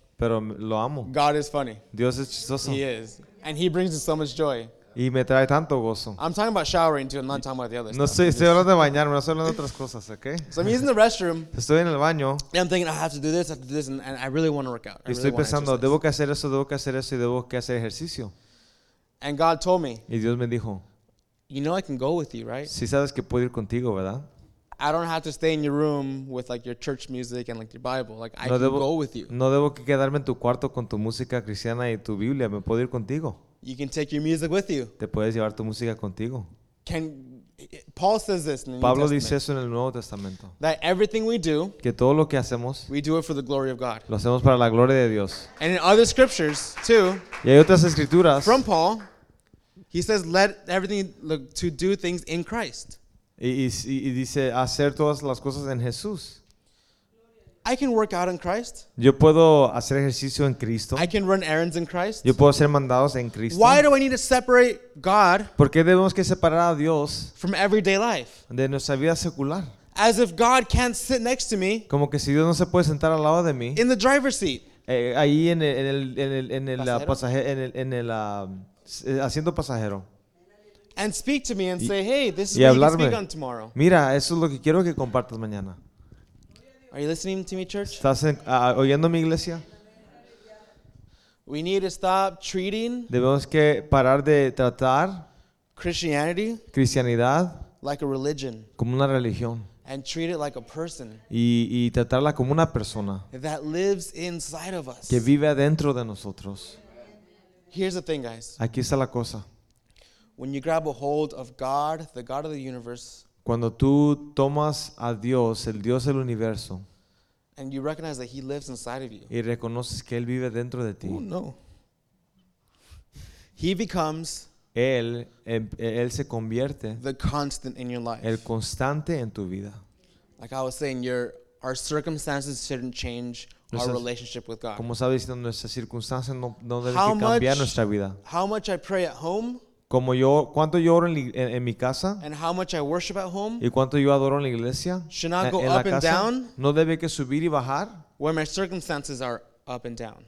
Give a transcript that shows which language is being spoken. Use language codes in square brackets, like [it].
[es] Pero lo amo. [en] God is funny. [es] Dios es chistoso. [en] He is. And He brings us so much joy. [es] Y me trae tanto gozo. [en] I'm talking about showering too. I'm not talking about the other no stuff. [es] No estoy hablando de bañarme. No estoy hablando de otras cosas, okay? [en] So I'm using the restroom. [es] Estoy en el baño. [en] And I'm thinking, I have to do this, I have to do this, and I really want to work out. [es] Y estoy pensando, debo que hacer eso, debo que hacer eso, y debo que hacer ejercicio. [en] And God told me. [es] Y Dios me dijo. [en] You know I can go with you, right? [es] Sí sabes que puedo ir contigo, ¿verdad? [en] I don't have to stay in your room with like your church music and like your Bible. Like I can go with you. [es] No debo que quedarme en tu cuarto con tu música cristiana y tu Biblia. Me puedo ir contigo. [en] You can take your music with you. [es] Te puedes llevar tu música contigo. [en] Paul says this in the New Testament. [es] Pablo dice eso en el Nuevo Testamento. [en] That everything we do. [es] Que todo lo que hacemos. [en] We do it for the glory of God. [es] Lo hacemos para la gloria de Dios. [en] And in other scriptures too. [es] Y hay otras escrituras. [en] From Paul. He says, "Let everything look to do things in Christ." [es] Y dice hacer todas las cosas en Jesús. [en] I can work out in Christ. [es] Yo puedo hacer ejercicio en Cristo. [en] I can run errands in Christ. [es] Yo puedo hacer mandados en Cristo. [en] Why do I need to separate God? [es] ¿Por qué debemos que separar a Dios [en] from everyday life? [es] De nuestra vida secular. [en] As if God can't sit next to me. [es] Como que si Dios no se puede sentar al lado de mí. [en] In the driver's seat. [es] Ahí en el pasajero en el haciendo pasajero. [en] And speak to me and say, hey, this is what you can speak on tomorrow. [es] Mira, eso es lo que quiero que compartas mañana. [en] Are you listening to me, church? [es] ¿Estás oyendo mi iglesia? [en] We need to stop treating. [es] Debemos que parar de tratar [en] Christianity. [es] Cristianidad. [en] Like a religion. [es] Como una religión. [en] And treat it like a person. [es] Y tratarla como una persona. [en] That lives inside of us. [es] Que vive adentro de nosotros. [en] Here's the thing, guys. [es] Aquí está la cosa. [en] When you grab a hold of God, the God of the universe. [es] Cuando tú tomas a Dios, el Dios del universo, [en] and you recognize that he lives inside of you, [es] y reconoces que él vive dentro de ti, [en] no. He becomes [es] él se convierte [en] the constant in your life. [es] El constante en tu vida. [en] Like I was saying, our circumstances shouldn't change our relationship with God. [es] Como sabes, nuestras circunstancias no deben cambiar nuestra vida. [en] How much I pray at home, [es] como yo, cuánto yo oro en mi casa, [en] and how much I worship at home, [es] y cuánto yo adoro en la iglesia, [en] should not go up and down. [es] No debe que subir y bajar. [en] When my circumstances are up and down.